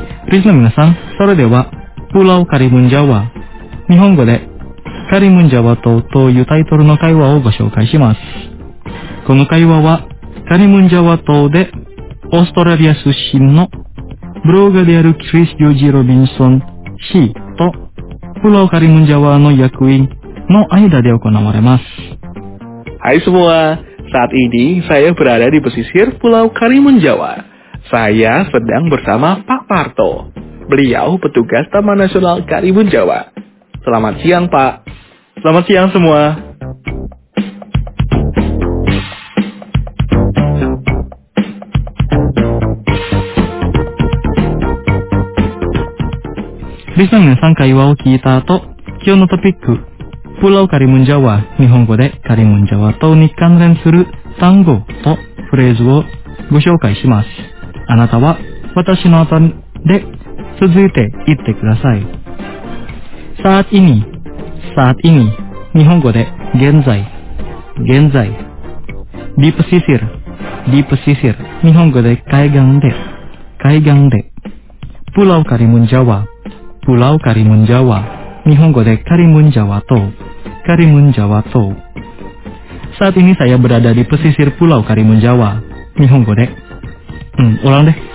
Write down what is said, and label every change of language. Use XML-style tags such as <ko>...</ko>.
<ja>リスナーの皆さん、それではプラウカリムンジャワ、日本語でカリムンジャワ島というタイトルの会話をご紹介します。この会話はカリムンジャワ島でオーストラリア出身のブロガーであるクリス・ジョージ・ロビンソン氏とプロカリムンジャワの役員の間で行われます。</ja> <id>Hai semua, saat ini saya berada di pesisir Pulau Karimun Jawa. Saya sedang bersama Pak Parto. Beliau petugas Taman Nasional Karimun Jawa. Selamat siang, Pak. Selamat siang semua.</id> <ja>リスナーの皆さん、会話を聞いた後、今日のトピック、プラウカリムンジャワ、日本語でカリムンジャワとに関連する単語とフレーズをご紹介します。あなたは私の後で続いて言ってください。</ja> <id>Saat ini, saat ini,</id> <ja>日本語で現在、現在。</ja> <id>Di pesisir, di pesisir,</id> <ja>日本語で海岸で、海岸で。</ja> <id>Pulau Karimun Jawa, Pulau Karimun Jawa.</id> <ja>Nihongo de Karimun Jawa to.</ja> <id>Karimun Jawa to. Saat ini saya berada di pesisir Pulau Karimun Jawa.</id> <ja>Nihongo de.</ja> <id>Ulang deh.</id>